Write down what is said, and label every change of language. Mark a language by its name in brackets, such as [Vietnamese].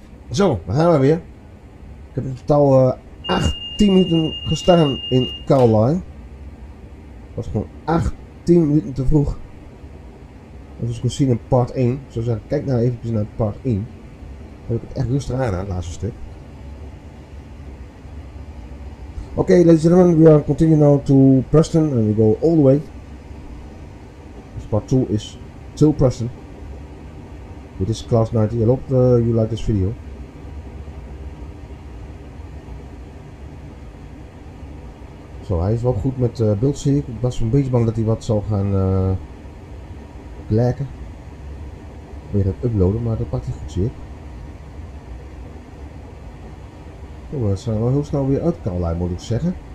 [Dutch] Zo, we gaan maar weer. Ik heb in totaal 18 minuten gestaan in Caroline. Dat was gewoon 18 minuten te vroeg. En zoals je kunt zien in part 1, zo zeg ik, kijk nou even naar part 1. Dan heb ik het echt rustig aan, het laatste stuk. [English] Oké, okay, ladies and gentlemen, we are continuing now to Preston and we go all the way. This part 2 is to Preston. With this class 90, I hope you like this video. [Dutch] Zo, hij is wel goed met beeld, zie ik. Ik was een beetje bang dat hij wat zou gaan blacken. Weer het uploaden, maar dat pakt hij goed, zie ik. Oh, we zijn wel heel snel weer uit Caroline, moet ik zeggen.